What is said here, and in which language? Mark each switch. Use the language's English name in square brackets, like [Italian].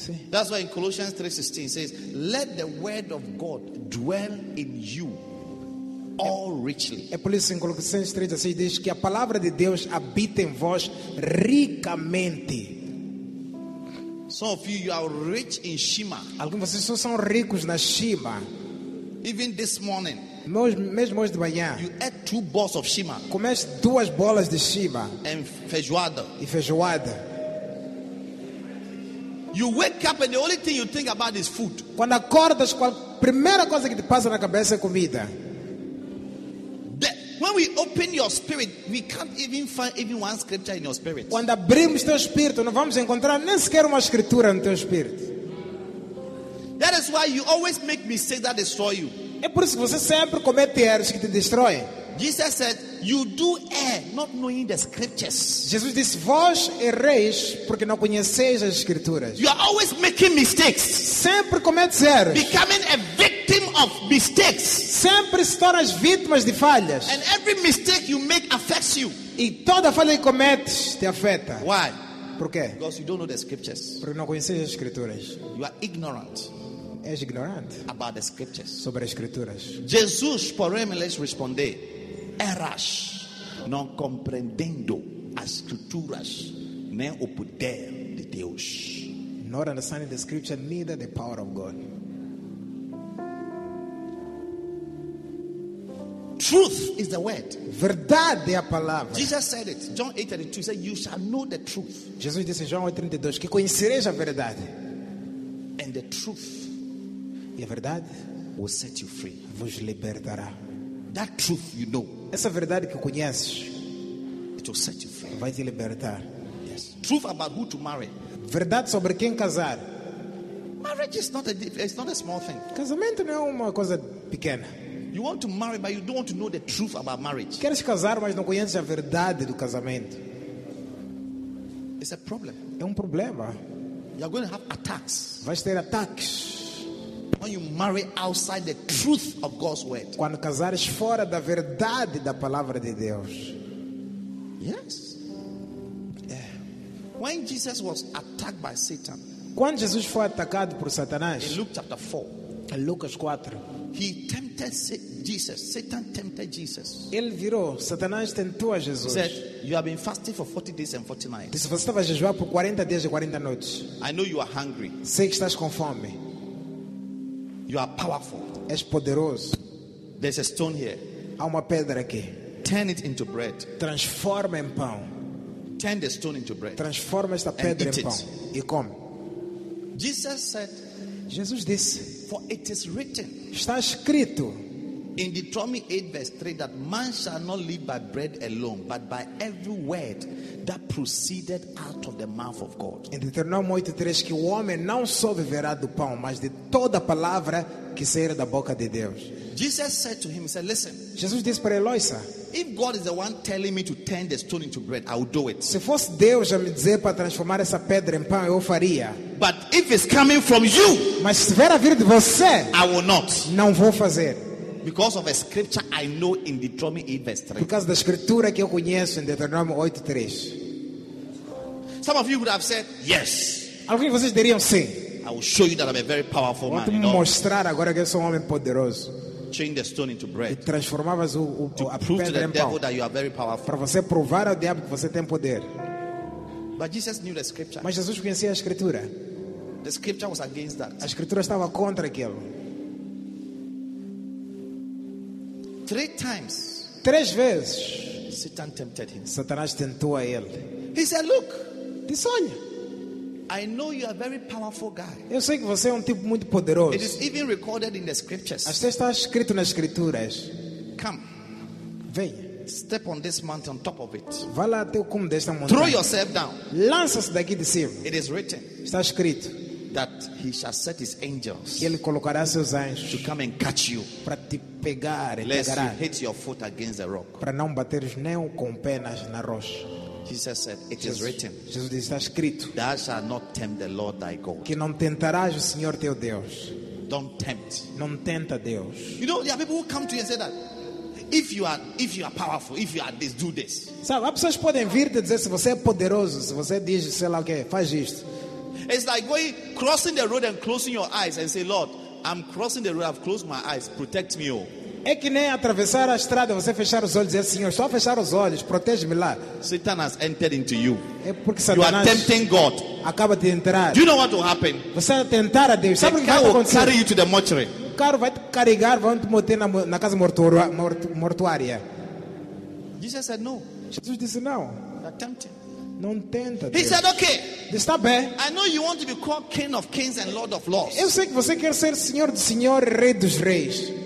[English] That's why in Colossians 3:16 says, let the word of God dwell in you all richly. [Portuguese] É por isso que em Colossenses 3:16 diz que a palavra de Deus habita em vós ricamente. [English] Some of you are rich in Shema. [Portuguese] Alguns de vocês só são ricos na Shema. [English] Even this morning, [Portuguese] mesmo hoje de manhã, [English] you ate two balls of Shema. [Portuguese] Comeste duas bolas de Shema. [English] And feijoada. [Portuguese] E feijoada. [English] You wake up and the only thing you think about is food. [Portuguese] Quando acordas, a primeira coisa que te passa na cabeça é comida. [English] When we open your spirit, we can't even find even one scripture in your spirit. [Portuguese] Quando abrimos teu espírito, não vamos encontrar nem sequer uma escritura no teu espírito. [English] That is why you always make mistakes that destroy you. [Portuguese] É por isso que você sempre comete erros que te destroem. [English] Jesus said, you do err not knowing the scriptures. [Portuguese] Jesus disse, vós erreis porque não conheceis as escrituras. [English] You are always making mistakes. [Portuguese] Sempre cometes erros. [English] Becoming a victim of mistakes. [Portuguese] Sempre se tornas vítimas de falhas. [English] And every mistake you make affects you. [Portuguese] E toda falha que cometes te afeta. [English] Why? [Portuguese] Por quê? [English] Because you don't know the scriptures. [Portuguese] Porque não conheces as escrituras. [English] You are ignorant. [Portuguese] És ignorante [English] about the scriptures. [Portuguese] Sobre as escrituras. Jesus, porém, lhes respondeu: erras, não compreendendo as escrituras, nem o poder de Deus. [English] Not understanding the scripture, neither the power of God. Truth is the word. [Portuguese] Verdade é a palavra. [English] Jesus said it. John 8:32 said, you shall know the truth. [Portuguese] Jesus disse em João 8:32 que conhecereis a verdade. [English] And the truth, [Portuguese] e a verdade, [English] will set you free. [Portuguese] Vos libertará. [English] That truth you know. [Portuguese] Essa verdade que conheces, [English] it will set you free. [Portuguese] Vai te libertar. [English] Yes. Truth about who to marry. [Portuguese] Verdade sobre quem casar. [English] Marriage is not a small thing. [Portuguese] Casamento não é uma coisa pequena. [English] You want to marry, but you don't want to know the truth about marriage. [Portuguese] Queres casar, mas não conheces a verdade do casamento. [English] It's a problem. [Portuguese] É um problema. [English] You're going to have attacks. [Portuguese] Vais ter ataques. [English] When you marry outside the truth of God's word. [Portuguese] Quando casares fora da verdade da palavra de Deus. [English] Yes. Yeah. When Jesus was attacked by Satan. [Portuguese] Quando Jesus foi atacado por Satanás. [English] In Luke chapter 4. [Portuguese] Em Lucas 4. [English] He tempted Jesus. Satan tempted Jesus. [Portuguese] Ele virou. Satanás tentou a Jesus. [English] He said, you have been fasting for 40 days and 40 nights. [Portuguese] Disse, você estava a jejuar por 40 dias e 40 noites. [English] I know you are hungry. [Portuguese] Sei que estás com fome. [English] You are powerful. [Portuguese] És poderoso. [English] There's a stone here. [Portuguese] Há uma pedra aqui. [English] Turn it into bread. [Portuguese] Transforma em pão. [English] Turn the stone into bread. [Portuguese] Transforma esta pedra em pão. E come. [English] Jesus said, [Portuguese] Jesus disse, [English] for it is written, [Portuguese] está escrito, [English] in Deuteronomy 8 verse 3, that man shall not live by bread alone, but by every word that proceeded out of the mouth of God. [Portuguese] Em Deuteronomy 8, 3, que o homem não só viverá do pão, mas de toda palavra que sair da boca de Deus. [English] Jesus said to him, he said, listen. [Portuguese] Jesus disse para ele, olha, [English] if God is the one telling me to turn the stone into bread, I will do it. [Portuguese] Se fosse Deus a me dizer para transformar essa pedra em pão, eu faria. [English] But if it's coming from you, [Portuguese] mas se vier a vir de você, [English] I will not. [Portuguese] Não vou fazer. [English] Because of a scripture I know in Deuteronomy 8 verse 3. [Portuguese] Because da escritura que eu conheço em Deuteronomy 8 3. [English] Some of you would have said yes. [Portuguese] Alguns de vocês diriam sim. [English] I will show you that I'm a very powerful man. [Portuguese] Vou te mostrar agora que eu sou um homem poderoso. [English] Change the stone into bread. [Portuguese] E transformavas o [English] to prove to the devil that you are very powerful. [Portuguese] Para você provar ao diabo que você tem poder. [English] But Jesus knew the scripture. [Portuguese] Mas Jesus conhecia a escritura. [English] The scripture was against that. [Portuguese] A escritura estava contra aquilo. [English] Three times. [Portuguese] Três vezes. [English] Satan tempted him. [Portuguese] Satanás tentou a ele. [English] He said, "Look, this one. I know you are a very powerful guy. [Portuguese] Eu sei que você é tipo muito poderoso. [English] It is even recorded in the scriptures. [Portuguese] Até está escrito nas escrituras. [English] Come. [Portuguese] Vem. [English] Step on this mountain on top of it. [Portuguese] Vá lá até o cume desta montanha. [English] Throw yourself down. [Portuguese] Lança-se daqui de cima. [English] It is written. [Portuguese] Está escrito. [English] That he shall set his angels. [Portuguese] Que ele colocará seus anjos. [English] To come and catch you. [Portuguese] Para te pegar e te agarrar. [English] Lest you hit your foot against the rock. [Portuguese] Para não bateres nem com o pé na rocha. [English] Jesus said, "It is written." [Portuguese] Jesus disse, está escrito. [English] Thou shalt not tempt the Lord thy God. [Portuguese] Que não tentarás o Senhor teu Deus. [English] Don't tempt. [Portuguese] Não tenta Deus. [English] You know, there are people who come to you and say that if you are powerful, if you are this, do this. [Portuguese] Sabe, há pessoas que podem vir te dizer se você é poderoso, se você diz sei lá o quê, faz isto. [English] It's like going crossing the road and closing your eyes and say, "Lord, I'm crossing the road. I've closed my eyes. Protect me, oh." [Portuguese] É que nem atravessar a estrada, você fechar os olhos e dizer, "Senhor, só fechar os olhos, protege-me lá." [English] Satan has entered into you. [Portuguese] É porque Satanás, [English] you are tempting God. [Portuguese] Acaba de entrar. [English] Do you know what will happen? [Portuguese] Você vai tentar a Deus. Sabe o que vai acontecer? [English] Carry you to the mortuary. [Portuguese] O carro vai te carregar, vão te meter na casa mortuária. [English] Jesus said no. [Portuguese] Jesus disse não. [English] You're tempting. [Portuguese] Não tenta. [English] He said, "Okay." [Portuguese] Está bem. [English] I know you want to be called King of Kings and Lord of Lords. [Portuguese] Eu sei que você quer ser Senhor dos Senhores, Rei dos Reis.